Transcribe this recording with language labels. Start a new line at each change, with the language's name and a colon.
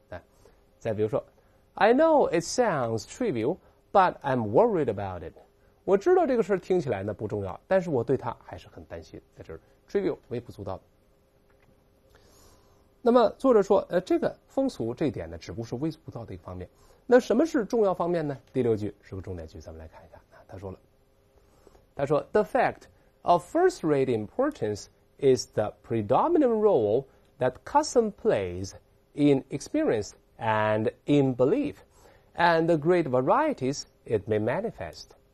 Chinese: 哎，再比如说
English: ，I know it sounds trivial, but I'm worried about it.
Chinese: 我知道这个事听起来呢不重要，但是我对它还是很担心。在这儿 ，trivial 微不足道的。那么作者说，这个风俗这一点呢，只不过是微不足道的一个方面。那什么是重要方面呢？第六句是个重点句，咱们来看一下。啊，他说了，他说 ，
English: the fact of first-rate importance。 Is the predominant role that custom plays in experience and in belief, and the great varieties it may manifest.